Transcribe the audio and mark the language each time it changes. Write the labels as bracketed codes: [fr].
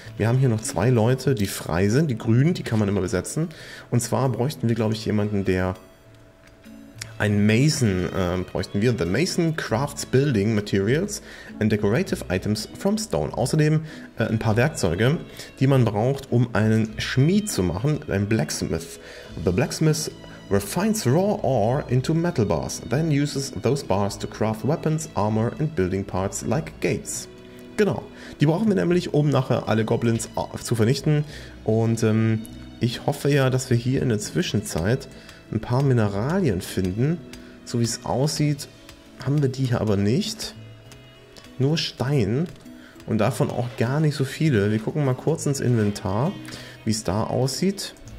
[de] Wir haben hier noch zwei Leute, die frei sind, die grünen, die kann man immer besetzen. Und zwar bräuchten wir, glaube ich, jemanden, der... Ein Mason bräuchten wir. [en] The Mason crafts building materials and decorative items from stone. [de] Außerdem ein paar Werkzeuge, die man braucht, um einen Schmied zu machen. Ein Blacksmith. [en] The Blacksmith refines raw ore into metal bars, then uses those bars to craft weapons, armor and building parts like gates. [de] Genau. Die brauchen wir nämlich, um nachher alle Goblins zu vernichten. Und ich hoffe ja, dass wir hier in der Zwischenzeit ein paar Mineralien finden. So wie es aussieht, haben wir die hier aber nicht. Nur Stein. Und davon auch gar nicht so viele. Wir gucken mal kurz ins Inventar, wie es da aussieht.